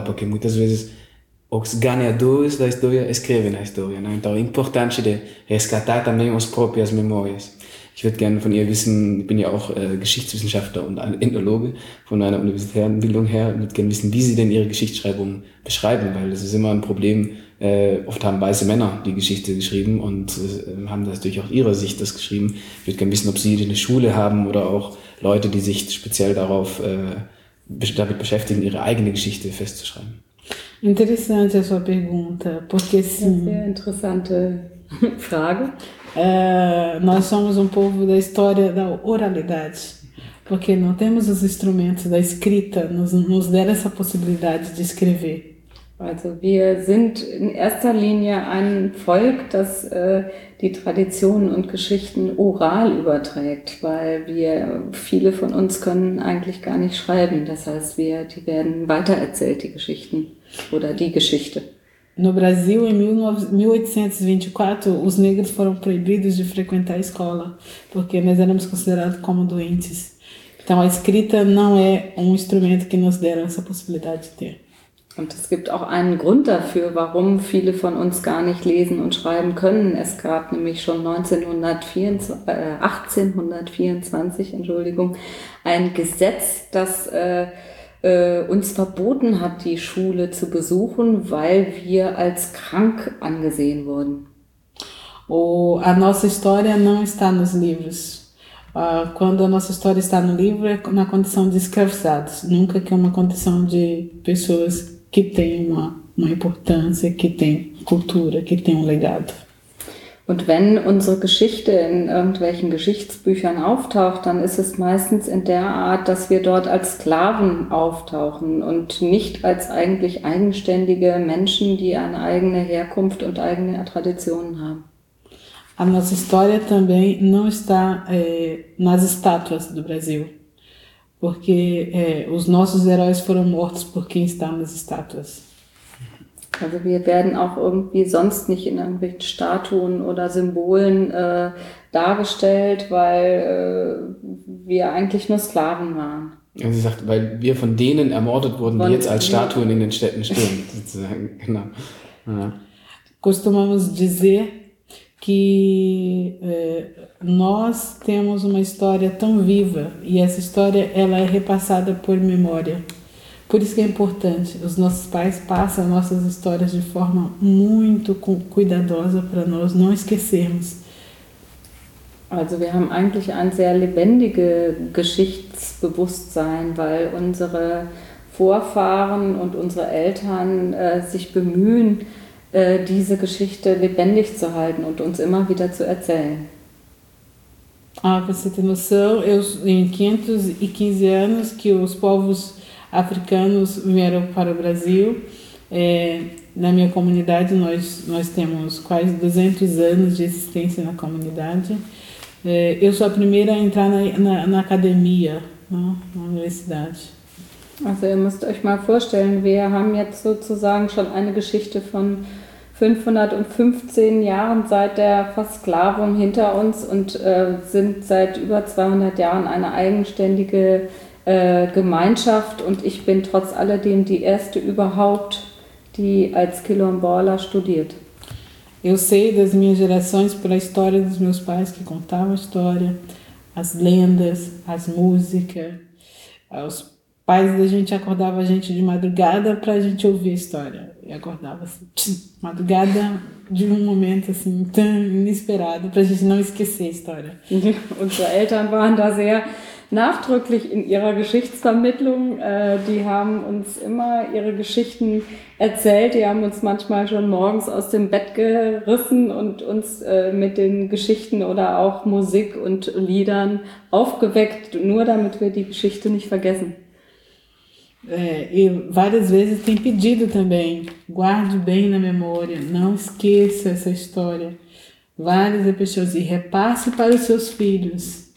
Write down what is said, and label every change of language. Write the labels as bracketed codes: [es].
[pt] Porque muitas vezes os ganhadores da história escrevem na história, né? Então, é importante de resgatar também as próprias memórias. [de] Ich würde gerne von ihr wissen, ich bin ja auch Geschichtswissenschaftler und Ethnologe von einer universitären Bildung her, würde gerne wissen, wie sie denn ihre Geschichtsschreibung beschreiben, weil das ist immer ein Problem. Oft haben weiße Männer die Geschichte geschrieben und haben das natürlich auch ihrer Sicht das geschrieben. Ich würde gerne wissen, ob sie eine Schule haben oder auch Leute, die sich speziell damit beschäftigen, ihre eigene Geschichte festzuschreiben. [pt] Interessante sua pergunta, porque sim. [de] Sehr interessante Frage. [pt] Nós somos povo da história da oralidade, porque não temos os instrumentos da escrita nos deram essa possibilidade de escrever. [de] Also wir sind in erster Linie ein Volk, das die Traditionen und Geschichten oral überträgt, weil wir viele von uns können eigentlich gar nicht schreiben. Das heißt, die werden weitererzählt, die Geschichten oder die Geschichte. [pt] No Brasil, em 1824, os negros foram proibidos de frequentar a escola, porque nós éramos considerados como doentes. Então, a escrita não é instrumento que nos deram essa possibilidade de ter. [de] Und es gibt auch einen Grund dafür, warum viele von uns gar nicht lesen und schreiben können. Es gab nämlich schon 1824 ein Gesetz, das uns verboten hat, die Schule zu besuchen, weil wir als krank angesehen wurden. [pt] A nossa história não está nos livros. Quando a nossa história está no livro, é na condição de escravizados, nunca que é uma condição de pessoas que têm uma importância, que têm cultura, que têm legado. [de] Und wenn unsere Geschichte in irgendwelchen Geschichtsbüchern auftaucht, dann ist es meistens in der Art, dass wir dort als Sklaven auftauchen und nicht als eigentlich eigenständige Menschen, die eine eigene Herkunft und eigene Traditionen haben. [pt] A nossa história também não está nas estátuas do Brasil, porque os nossos heróis foram mortos por quem está nas estátuas. [de] Also wir werden auch irgendwie sonst nicht in irgendwelchen Statuen oder Symbolen dargestellt, weil wir eigentlich nur Sklaven waren. Und sie sagt, weil wir von denen ermordet wurden, die jetzt als Statuen in den Städten stehen, sozusagen. Genau. Ja. [pt] Costumamos dizer que nós temos uma história tão viva e essa história ela é repassada por memória. Por isso que é importante, os nossos pais passam nossas histórias de forma muito cuidadosa para nós não esquecermos. [de] Also wir haben eigentlich ein sehr lebendiges Geschichtsbewusstsein, weil unsere Vorfahren und unsere Eltern sich bemühen, diese Geschichte lebendig zu halten und uns immer wieder zu erzählen. [pt] Ah, para você ter noção, eu em 515 anos que os povos africanos vieram para o Brasil, Na minha comunidade, nós temos quase 200 anos de existência na comunidade. Eu sou a primeira a entrar na academia, na universidade. [de] Also, ihr müsst euch mal vorstellen, wir haben jetzt sozusagen schon eine Geschichte von 515 Jahren seit der Versklavung hinter uns und sind seit über 200 Jahren eine eigenständige Gemeinschaft. Und ich bin trotz alledem die erste überhaupt, die als Quilombola studiert. [pt] Eu sei das minhas gerações pela história dos meus pais que contavam a história, as lendas, as músicas, os pais da gente acordava a gente de madrugada para a gente ouvir a história. E acordava assim, madrugada, de momento assim, tão inesperado, para a gente não esquecer a história. [de] Unsere Eltern waren da sehr nachdrücklich in ihrer Geschichtsvermittlung. Die haben uns immer ihre Geschichten erzählt. Die haben uns manchmal schon morgens aus dem Bett gerissen und uns mit den Geschichten oder auch Musik und Liedern aufgeweckt, nur damit wir die Geschichte nicht vergessen. [pt] E várias vezes tem pedido também, guarde bem na memória, não esqueça essa história. Várias pessoas, e repasse para os seus filhos.